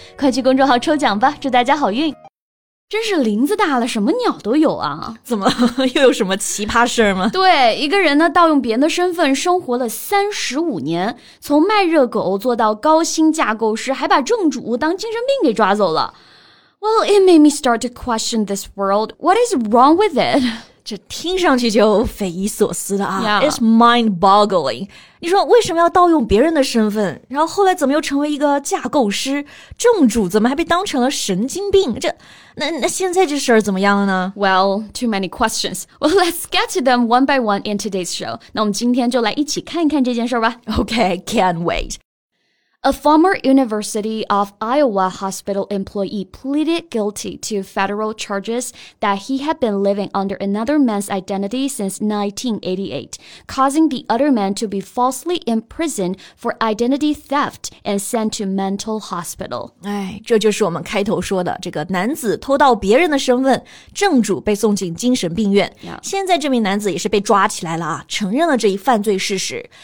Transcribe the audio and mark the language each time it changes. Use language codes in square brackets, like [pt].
[zh] 快去公众号抽奖吧，祝大家好运。真是林子大了，什么鸟都有啊。怎么又有什么奇葩事儿吗？对，一个人呢盗用别人的身份生活了35年，从卖热狗做到高薪架构师，还把正主当精神病给抓走了。 [en] Well, it made me start to question this world. What is wrong with it? [zh] 这听上去就匪夷所思的啊、 [en] yeah. It's mind-boggling. [zh] 你说为什么要盗用别人的身份，然后后来怎么又成为一个架构师，正主怎么还被当成了神经病，这 那现在这事儿怎么样了呢？ [en] Well, too many questions. Well, let's get to them one by one in today's show. [zh] 那我们今天就来一起看一看这件事吧。 [en] Okay, can't wait. A former University of Iowa hospital employee pleaded guilty to federal charges that he had been living under another man's identity since 1988, causing the other man to be falsely imprisoned for identity theft and sent to mental hospital. [zh] 哎，这就是我们开头说的，这个男子偷盗别人的身份，正主被送进精神病院。 [en] Yeah. [zh] 现在这名男子也是被抓起来了啊，承认了这一犯罪事实。